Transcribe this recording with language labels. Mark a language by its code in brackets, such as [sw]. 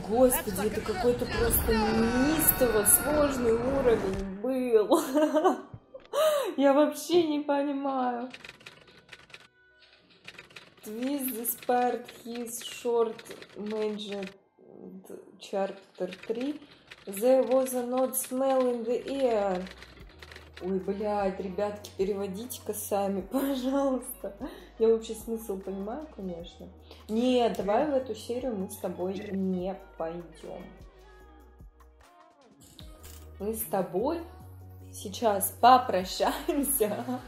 [ru] господи, это какой-то просто неистово сложный уровень был. Я вообще не понимаю. [en] Twist this part, his short magic chapter 3. There was an odd smell in the air. [ru] Ой, блядь, ребятки, переводите-ка сами, пожалуйста. Я вообще смысл понимаю, конечно. Нет, давай в эту серию мы с тобой не пойдем. Мы с тобой сейчас попрощаемся.